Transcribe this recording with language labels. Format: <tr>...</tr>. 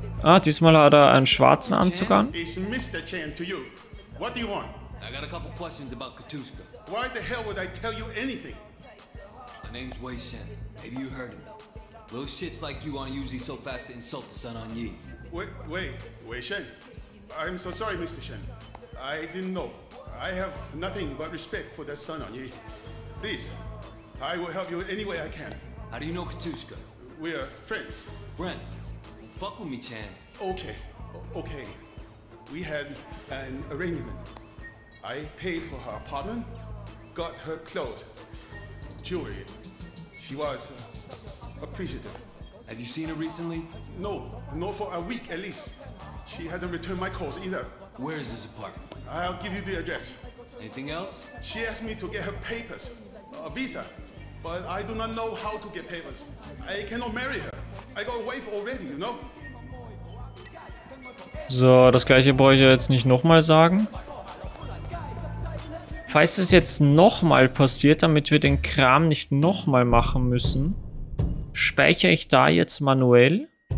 <de>Ah, diesmal hat er einen schwarzen Anzug an.</de> <en>It's Mr. Chan to you. What do you want? I got a couple questions about Katushka. Why the hell would I tell you anything? My name's Wei Shen. Maybe you heard of me. Little shits like you aren't usually so fast to insult the Sun on Yi. Wei Shen. I'm so sorry, Mr. Chen. I didn't know. I have nothing but respect for that Sun on Yi. Please, I will help you any way I can. How do you know Katushka? We are friends. Friends? Well, fuck with me, Chen. Okay, okay. We had an arrangement. I paid for her apartment, got her clothes, jewelry. She was appreciative. Have you seen her recently? No, not for a week at least. She hasn't returned my calls either. Where is this apartment? I'll give you the address. Anything else? She asked me to get her papers, a visa. But I do not know how to get papers. I cannot marry her. I got a wife already, you know?</en> <de>So, das gleiche brauche ich jetzt nicht nochmal sagen. Falls es jetzt nochmal passiert, damit wir den Kram nicht nochmal machen müssen, speichere ich da jetzt manuell.</de>